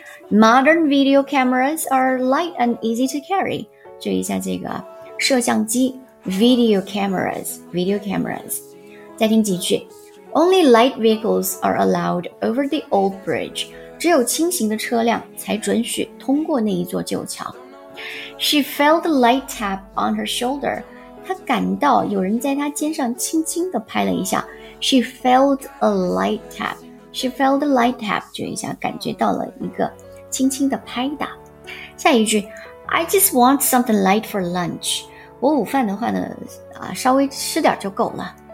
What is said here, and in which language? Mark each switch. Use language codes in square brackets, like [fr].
[en] Modern video cameras are light and easy to carry。 [zh] 注意一下这个摄像机 ， [en] video cameras， video cameras。 [zh] 再听几句 [en] ，Only light vehicles are allowed over the old bridge. [zh] 只有轻型的车辆才准许通过那一座旧桥。 [en] She felt the light tap on her shoulder. [zh] 她感到有人在她肩上轻轻地拍了一下。 [en] She felt a light tap. She felt the light tap. [zh] 注意一下，感觉到了一个轻轻的拍打。下一句 [en] ，I just want something light for lunch. [zh] 我午饭的话呢，稍微吃点就够了。